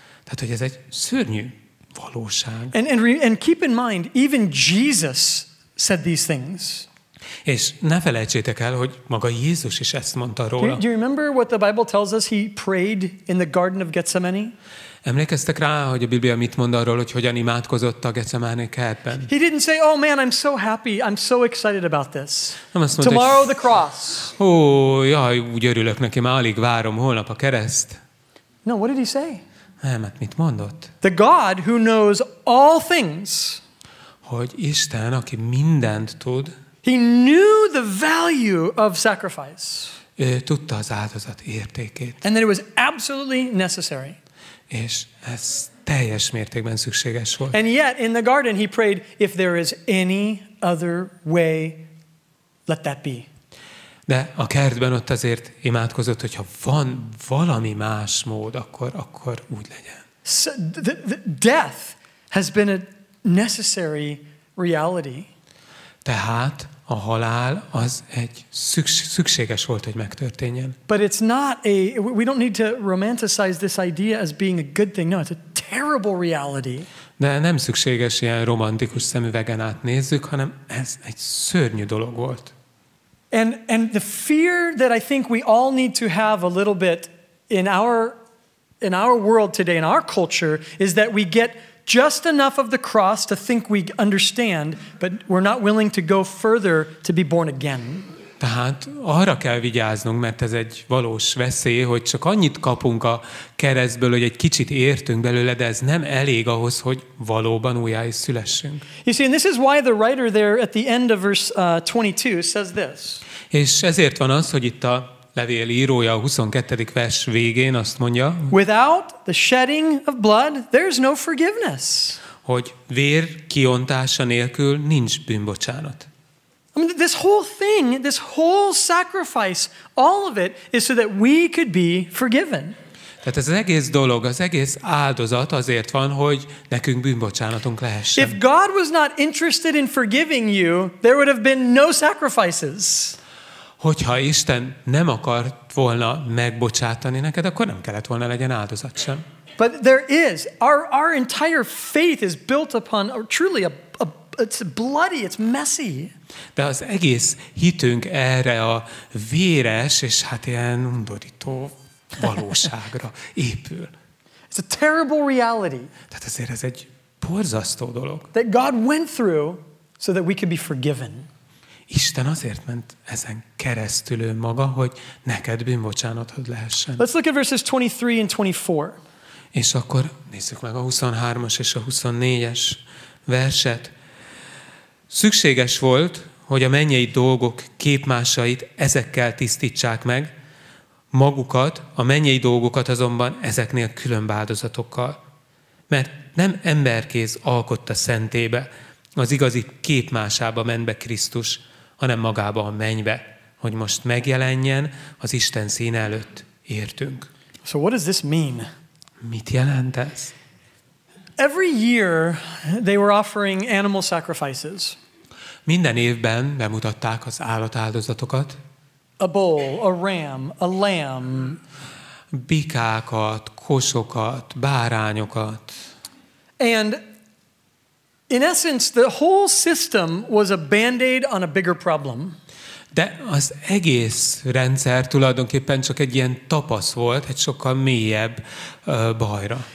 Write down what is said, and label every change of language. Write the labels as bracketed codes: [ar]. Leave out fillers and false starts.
[hu] Tehát, hogy ez egy szörnyű valóság. [en] And keep in mind, even Jesus said these things. [hu] És ne felejtsétek el, hogy maga Jézus is ezt mondta róla. [en] Do you remember what the Bible tells us he prayed in the Garden of Gethsemane? [hu] Emlékeztek rá, hogy a Biblia mit mond arról, hogy hogyan imádkozott a Getsemáné kertben? [en] He didn't say, oh man, I'm so happy, I'm so excited about this. [hu] Nem azt mondta, [en] tomorrow the cross. [hu] Ó, jaj, úgy örülök neki, már alig várom holnap a kereszt. [en] No, what did he say? [hu] Nem, hát mit mondott? [en] The God who knows all things. [hu] Hogy Isten, aki mindent tud. [en] He knew the value of sacrifice. [hu] Ő tudta az áldozat értékét. [en] And that it was absolutely necessary. [hu] És ez teljes mértékben szükséges volt. [en] And yet in the garden he prayed, if there is any other way, let that be. [hu] De a kertben ott azért imádkozott, hogy ha van valami más mód, akkor úgy legyen. [en] So the death has been a necessary reality. [hu] Tehát a halál az egy szükséges volt, hogy megtörténjen. [en] But it's not a, we don't need to romanticize this idea as being a good thing. No, it's a terrible reality. [hu] De nem szükséges ilyen romantikus szemüvegen átnézzük, hanem ez egy szörnyű dolog volt. [en] And the fear that I think we all need to have a little bit in our world today, in our culture, is that we get just enough of the cross to think we understand, but we're not willing to go further to be born again. [hu] Tehát arra kell vigyáznunk, mert ez egy valós veszély, hogy csak annyit kapunk a keresztből, hogy egy kicsit értünk belőle, de ez nem elég ahhoz, hogy valóban újjá is szülessünk. [en] You see, and this is why the writer there at the end of verse 22 says this. [hu] És ezért van az, hogy itt a levél írója a 22. vers végén azt mondja, [en] without the shedding of blood, there's no forgiveness. [hu] Hogy vér kiontása nélkül nincs bűnbocsánat. [en] I mean, this whole thing, this whole sacrifice, all of it is so that we could be forgiven. [hu] Tehát ez az egész dolog, az egész áldozat azért van, hogy nekünk bűnbocsánatunk lehessen. [en] If God was not interested in forgiving you, there would have been no sacrifices. [hu] Hogyha Isten nem akart volna megbocsátani neked, akkor nem kellett volna legyen áldozat sem. [en] But there is. Our entire faith is built upon truly it's bloody, it's messy. [hu] De az egész hitünk erre a véres és hát ilyen undorító valóságra épül. [en] It's a terrible reality. [hu] Tehát azért ez egy borzasztó dolog. [en] That God went through so that we could be forgiven. [hu] Isten azért ment ezen keresztül ő maga, hogy neked bűnbocsánatod lehessen. [en] Let's look at verses 23 and 24. [hu] És akkor nézzük meg a 23-as és a 24-es verset. Szükséges volt, hogy a mennyei dolgok képmásait ezekkel tisztítsák meg, magukat, a mennyei dolgokat azonban ezeknél külön áldozatokkal. Mert nem emberkéz alkotta szentébe, az igazi képmásába ment be Krisztus, hanem magába a mennybe, hogy most megjelenjen az Isten színe előtt értünk. [en] So what does this mean? [hu] Mit jelent ez? [en] Every year they were offering animal sacrifices. [hu] Minden évben bemutatták az állatáldozatokat. [en] A bull, a ram, a lamb. [hu] Bikákat, kosokat, bárányokat. [en] And in essence, the whole system was a band-aid on a bigger problem. [hu] De az egész rendszer tulajdonképpen csak egy ilyen tapasz volt, egy sokkal mélyebb bajra.